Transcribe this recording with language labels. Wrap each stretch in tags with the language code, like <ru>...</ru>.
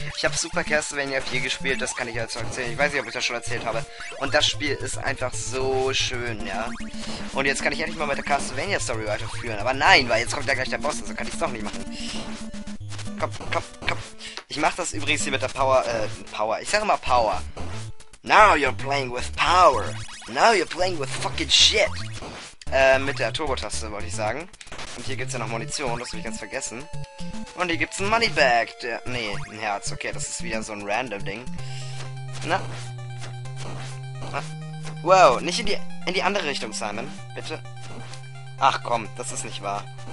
<de>Ich habe Super Castlevania 4 gespielt, das kann ich jetzt noch erzählen. Ich weiß nicht, ob ich das schon erzählt habe. Und das Spiel ist einfach so schön, ja. Und jetzt kann ich endlich mal mit der Castlevania Story weiterführen. Aber nein, weil jetzt kommt ja gleich der Boss, also kann ich es doch nicht machen. Komm, komm, komm. Ich mache das übrigens hier mit der Power. Ich sage mal Power.</de> <en>Now you're playing with power. Now you're playing with fucking shit.</en> <de>Mit der Turbo-Taste, wollte ich sagen. Und hier gibt's ja noch Munition, das habe ich ganz vergessen. Und hier gibt's ein Moneybag. Ein Herz. Okay, das ist wieder so ein random Ding. Na? Wow, nicht in die andere Richtung, Simon. Bitte. Ach komm, das ist nicht wahr.</de>